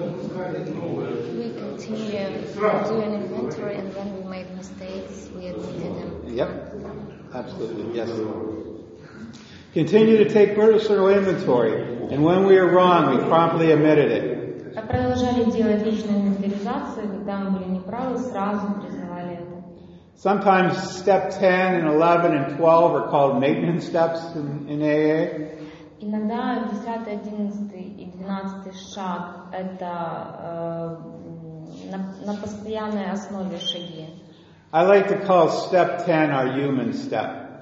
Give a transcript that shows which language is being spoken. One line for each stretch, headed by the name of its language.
English: We continue to do an inventory and when we made mistakes, we admitted them. Yep. Absolutely. Yes. Continue to take personal inventory. And when we are wrong, we promptly admitted it.
Russian: Продолжали делать личную инвентаризацию, когда мы были неправы, сразу признавали это.
English: Sometimes step 10 and 11 and 12 are called maintenance steps in AA.
Russian: Иногда 10, 11 и 12 шаг это на постоянной основе шаги.
English: I like to call step 10 our human step.